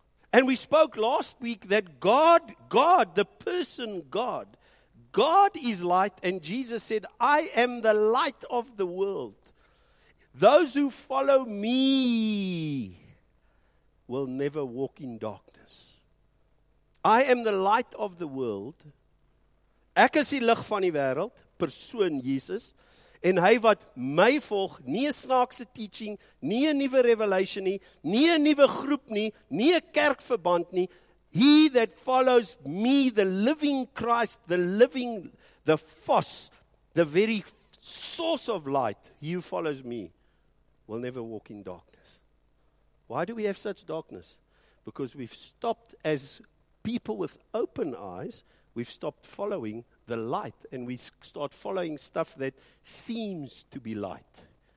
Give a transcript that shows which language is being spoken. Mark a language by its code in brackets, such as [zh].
[en] And we spoke last week that God, the person God is light, and Jesus said, I am the light of the world. Those who follow me will never walk in darkness. I am the light of the world. [af] Ek is die lig van die wêreld, persoon Jesus, en hy wat my volg, nie 'n snaakse teaching, nie 'n nuwe revelation nie, nie 'n nuwe groep nie, nie 'n kerkverband nie. [en] He that follows me, the living Christ, the living, the foss, the very source of light, he who follows me will never walk in darkness. Why do we have such darkness? Because we've stopped as people with open eyes, we've stopped following the light and we start following stuff that seems to be light.